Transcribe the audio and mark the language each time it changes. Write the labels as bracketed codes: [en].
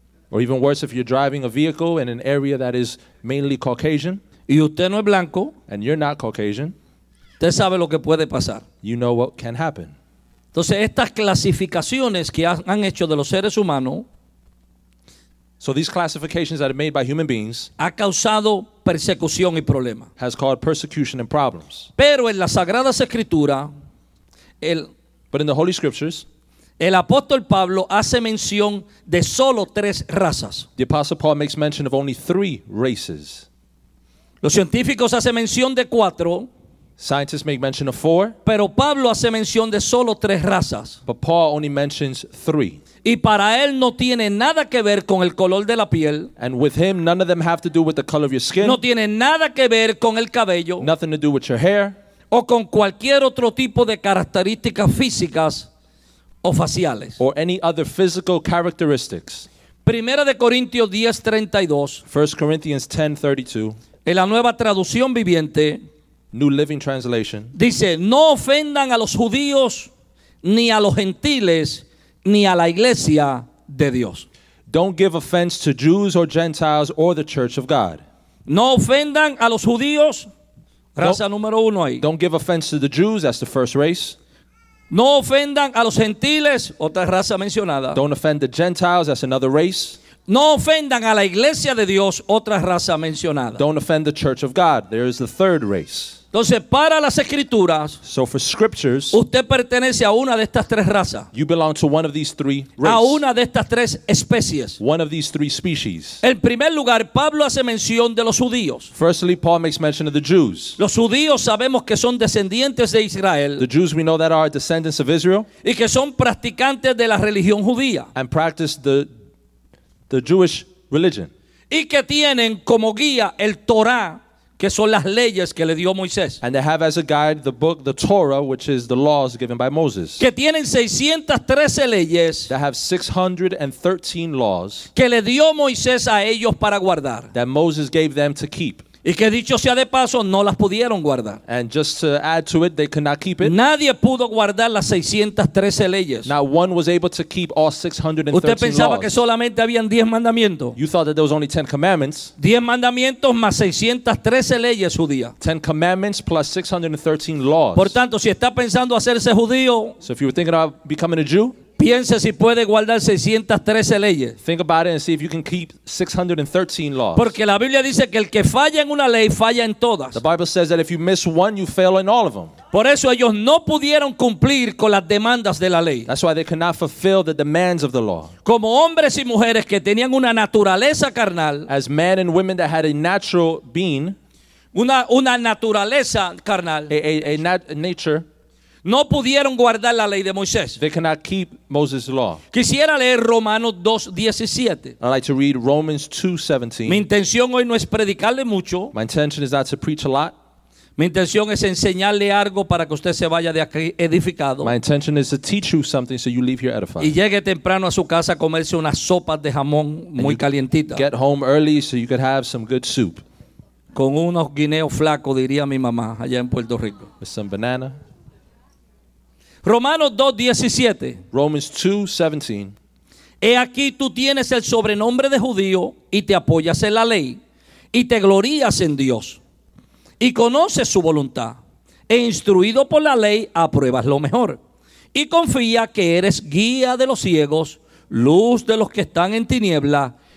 [en] Or even worse if you're driving a vehicle in an area that is mainly Caucasian. [es] Y usted no es blanco. [en] And you're not Caucasian. [es] Usted sabe lo que puede pasar. [en] You know what can happen. [es] Entonces estas clasificaciones que han hecho de los seres humanos. [en] So these classifications that are made by human beings. [es] Ha causado persecución y problema. [en] Has caused persecution and problems. [es] Pero en las Sagradas Escrituras. [en] But in the Holy Scriptures, [es] el apóstol Pablo hace mención de solo tres razas. [en] The Apostle Paul makes mention of only three races. [es] Los científicos hacen mención de cuatro. [en] Scientists make mention of four. [es] Pero Pablo hace mención de solo tres razas. [en] But Paul only mentions three. [es] Y para él no tiene nada que ver con el color de la piel. [en] And with him, none of them have to do with the color of your skin. [es] No tiene nada que ver con el cabello. [en] Nothing to do with your hair. [es] O con cualquier otro tipo de características físicas o faciales. [en] Or any other physical characteristics. [es] Primera de Corintios 10:32. [en] 1 Corinthians 10:32. [es] En la Nueva Traducción Viviente. [en] New Living Translation. [es] Dice, no ofendan a los judíos, ni a los gentiles, ni a la iglesia de Dios. [en] Don't give offense to Jews or Gentiles or the church of God. [es] No ofendan a los judíos. Raza número uno ahí. [en] Don't give offense to the Jews, that's the first race. [es] No ofendan a los gentiles, otra raza mencionada. [en] Don't offend the Gentiles, that's another race. [es] No ofendan a la iglesia de Dios, otra raza mencionada. [en] Don't offend the church of God, there is the third race. [es] Entonces, para las escrituras, [en] so for scriptures, [es] usted pertenece a una de estas tres razas. [en] You belong to one of these three races. [es] A una de estas tres especies. [en] One of these three species. [es] En primer lugar, Pablo hace mención de los judíos. [en] Firstly, Paul makes mention of the Jews. [es] Los judíos sabemos que son descendientes de Israel. [en] The Jews we know that are descendants of Israel. [es] Y que son practicantes de la religión judía. [en] And practice the Jewish religion. [es] Y que tienen como guía el Torah. Que son las leyes que le dio Moisés. [en] And they have as a guide the book, the Torah, which is the laws given by Moses. [es] Que tienen 613 leyes. [en] That have 613 laws. [es] Que le dio Moisés a ellos para guardar. [en] That Moses gave them to keep. [es] Y que dicho sea de paso, no las pudieron guardar. [en] And just to add to it, they could not keep it. [es] Nadie pudo guardar las 613 leyes. [en] Not one was able to keep all 613 [es] laws. Usted pensaba [en] laws. [es] Que solamente habían 10 mandamientos. [en] You thought that there was only 10 commandments. [es] 10 mandamientos más 613 leyes judías. [en] 10 commandments plus 613 laws. [es] Por tanto, si está pensando hacerse judío. [en] So if you were thinking about becoming a Jew. [es] Piense si puede guardar 613 leyes. [en] Think about it and see if you can keep 613 laws. [es] Porque la Biblia dice que el que falla en una ley falla en todas. [en] The Bible says that if you miss one, you fail in all of them. [es] Por eso ellos no pudieron cumplir con las demandas de la ley. [en] That's why they could not fulfill the demands of the law. [es] Como hombres y mujeres que tenían una naturaleza carnal. [en] As men and women that had a natural being. [es] Una naturaleza carnal. [en] A nature. [es] No pudieron guardar la ley de Moisés. [en] They cannot keep Moses' law. [es] Quisiera leer Romanos 2:17. [en] I'd like to read Romans 2:17. [es] Mi intención hoy no es predicarle mucho. [en] My intention is not to preach a lot. [es] Mi intención es enseñarle algo para que usted se vaya de aquí edificado. [en] My intention is to teach you something so you leave here edified. [es] Y llegue temprano a su casa a comerse unas sopas de jamón muy calientitas. [en] Get home early so you could have some good soup. [es] Con unos guineos flacos, diría mi mamá, allá en Puerto Rico. [en] With some banana. [es] Romanos 2:17. [en] Romans 2:17. [es] He aquí tú tienes el sobrenombre de judío y te apoyas en la ley y te glorías en Dios y conoces su voluntad e instruido por la ley apruebas lo mejor y confía que eres guía de los ciegos, luz de los que están en tiniebla